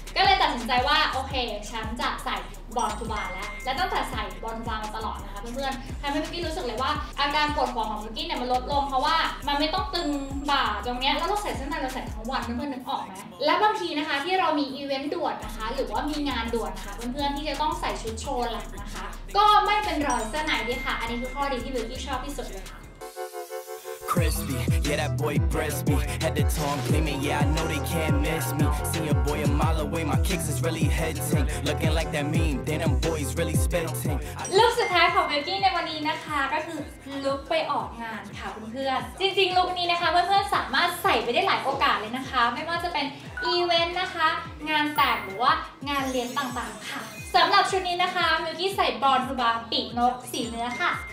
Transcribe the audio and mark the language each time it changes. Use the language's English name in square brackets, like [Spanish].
[Thai] ก็เลยตัดสินใจว่าโอเคฉันจะใส่บอลทูบาแล้วและตั้งแต่ใส่บอลทูบามาตลอดนะคะเพื่อนๆทำให้มิกกี้รู้สึกเลยว่าอาการปวดหัวของมิกกี้เนี่ยมันลดลงเพราะว่ามันไม่ต้องตึงบ่าตรงเนี้ยแล้วต้องใส่ชั้นในเราใส่ทั้งวันเพื่อนๆนึกออกไหมและบางทีนะคะที่เรามีอีเวนต์ด่วนนะคะหรือว่ามีงานด่วนนะคะเพื่อนๆที่จะต้องใส่ชุดโชว์หลังนะคะก็ไม่เป็นรอยเส้นไหนดีค่ะอันนี้คือข้อดีที่มิกกี้ชอบที่สุดเลยค่ะ [English] Crispy, yeah that boy crispy. Head to toe I'm gleaming, yeah I know they can't miss me. See your boy a mile away, my kicks is really hitting. Looking like that meme, then them boys really spitting. [Thai] ลุคสุดท้ายของมิกกี้ในวันนี้นะคะก็คือลุคไปออกงานค่ะเพื่อนๆจริงๆลุคนี้นะคะเพื่อนๆสามารถใส่ไปได้หลายโอกาสเลยนะคะไม่ว่าจะเป็นอีเวนต์นะคะงานแต่งหรือว่างานเลี้ยงต่างๆค่ะสำหรับชุดนี้นะคะมิกกี้ใส่บอนทูบาปีกนกสีเนื้อค่ะ